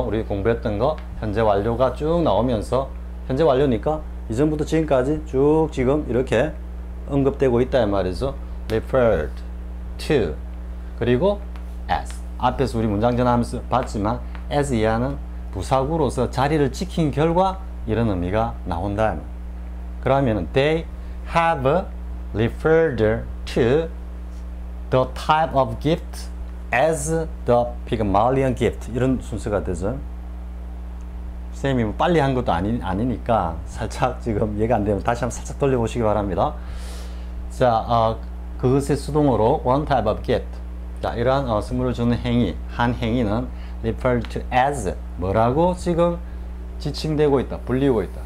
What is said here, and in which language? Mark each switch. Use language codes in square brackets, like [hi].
[ko] 우리 공부했던 거, 현재 완료가 쭉 나오면서, 현재 완료니까, 이전부터 지금까지 쭉 지금 이렇게 언급되고 있다, 이 말이죠. [en] referred to. 그리고 as. [ko] 앞에서 우리 문장 전화하면서 봤지만, as 이하는 부사구로서 자리를 지킨 결과, 이런 의미가 나온다. 그러면 [en] they have referred to the type of gift as the Pygmalion gift. [ko] 이런 순서가 되죠. 선생님이 뭐 빨리 한 것도 아니니까 살짝 지금 이해가 안 되면 다시 한번 살짝 돌려보시기 바랍니다. 자, 그것의 수동으로 [en] one type of gift. [ko] 자, 이러한 선물을 주는 행위, 한 행위는 referred to as 뭐라고 지금 지칭되고 있다, 불리고 있다.